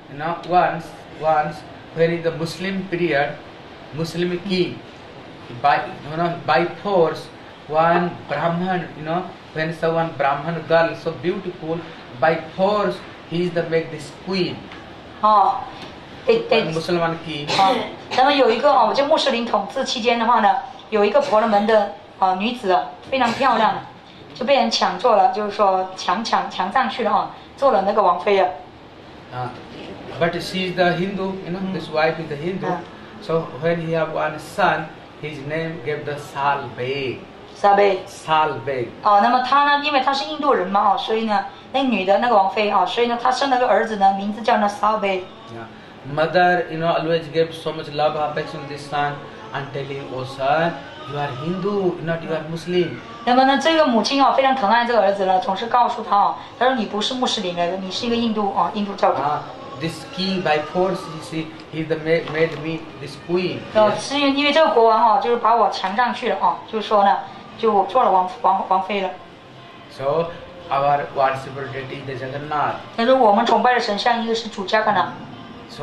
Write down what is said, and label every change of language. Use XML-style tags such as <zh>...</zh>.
<en>You know, once when in the Muslim period, Muslim king, by force, one Brahman, you know, when someone Brahman girl so beautiful, by force, he is the make this queen. Oh, it's Muslim king.</en> <zh>Oh, 那么有一个哦，就穆斯林统治期间的话呢，有一个婆罗门的女子，非常漂亮，就被人抢做了，就是说抢上去了哦，做了那个王妃了。</zh> <en>But she is the Hindu, you know, this wife is the Hindu. So when he have one son, his name gave the Sal Beg. Sal Beg.</en> <zh>哦，那么他呢，因为他是印度人嘛，哦，所以呢。那女的那个王妃啊，所以呢，她生了个儿子呢，名字叫那骚贝。</zh> <en>Mother, you know, always gave so much love and affection to this son and telling, "Oh son, you are Hindu, not you are Muslim."</en> <zh>那么呢，这个母亲啊，非常疼爱这个儿子了，总是告诉他啊，她说你不是穆斯林来的，你是一个印度啊，印度教徒。</zh> <en>This king by force, you see, he made me this queen.</en> <zh>哦，是因为这个国王哈，就是把我强占去了啊，就是说呢，就做了王妃了。</zh> <en>So. Our worshipful deity is Jagannath.</en> <zh>他说我们崇拜的神像，一个是主家的呢。</zh> <en>So</en>